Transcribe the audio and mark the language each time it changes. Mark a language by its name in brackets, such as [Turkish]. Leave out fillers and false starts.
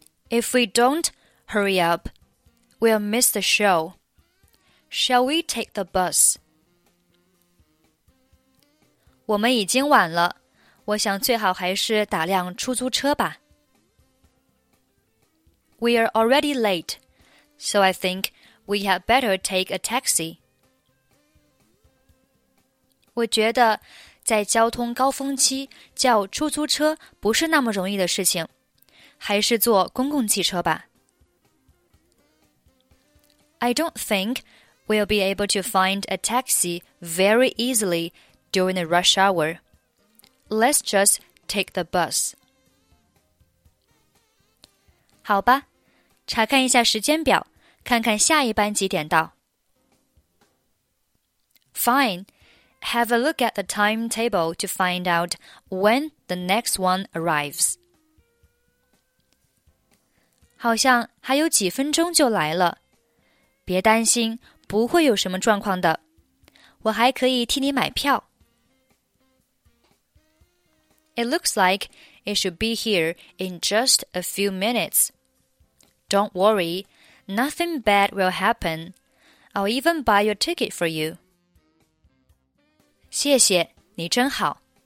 [English] If we don't hurry up, we'll miss the show. Shall we take the bus? [Chinese] 我们已经晚了,我想最好还是打辆出租车吧。 [English] We are already late, so I think we had better take a taxi. [Chinese] 我觉得在交通高峰期叫出租车不是那么容易的事情，还是坐公共汽车吧。 [English] I don't think we'll be able to find a taxi very easily during the rush hour. Let's just take the bus. [Chinese] 好吧，查看一下时间表，看看下一班几点到。 [English] Fine. Have a look at the timetable to find out when the next one arrives. [Chinese] 好像还有几分钟就来了。别担心，不会有什么状况的。我还可以替你买票。 [English] It looks like it should be here in just a few minutes. Don't worry, nothing bad will happen. I'll even buy your ticket for you. [Chinese] 谢谢，你真好。